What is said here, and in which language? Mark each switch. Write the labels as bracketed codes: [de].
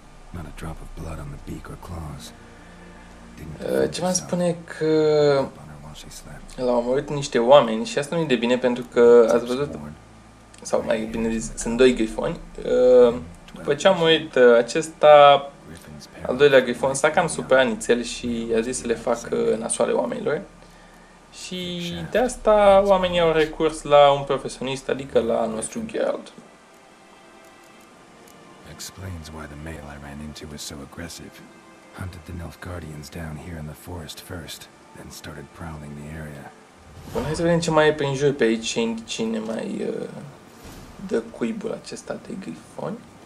[en] Not a drop of blood on the beak or claws. [ro] Ce mai spune că l-au omorât niște oameni și asta nu e de bine pentru că ați văzut sau mai bine zis, sunt doi grifoni. După ce am murit acesta, al doilea grifon s-a cam supărat nițel și a zis să le facă nasoale oamenilor. Și de asta oamenii au recurs la un profesionist, adică la nostru Geralt. [en] Explains why the male I ran into was so aggressive. Hunted the Nilfgaardians down here in the forest first, then started prowling the area. [ro] Bun, hai să vedem ce mai e prin jur pe aici, cine mai dă cuibul acesta de grifoni.